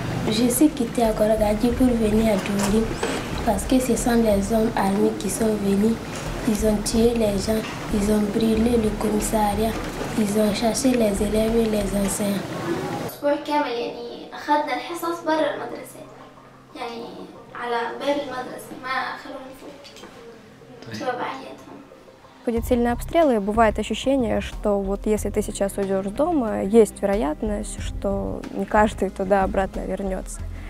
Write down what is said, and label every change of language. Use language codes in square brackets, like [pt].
[fr] Je sais quitter Agoragadji pour venir à Douali parce que ce sont les hommes armés qui sont venus. Ils ont tué les gens, ils ont brûlé le commissariat, ils ont cherché les élèves et les enseignants. [ar] الأسبوع كامل يعني أخذنا الحصص برا المدرسة يعني على باب المدرسة ما خلونا نفوت بسبب عيادهم. [ru] Будут сильные обстрелы, бывает ощущение, что вот если ты сейчас уйдешь дома, есть вероятность, что не каждый туда обратно вернется.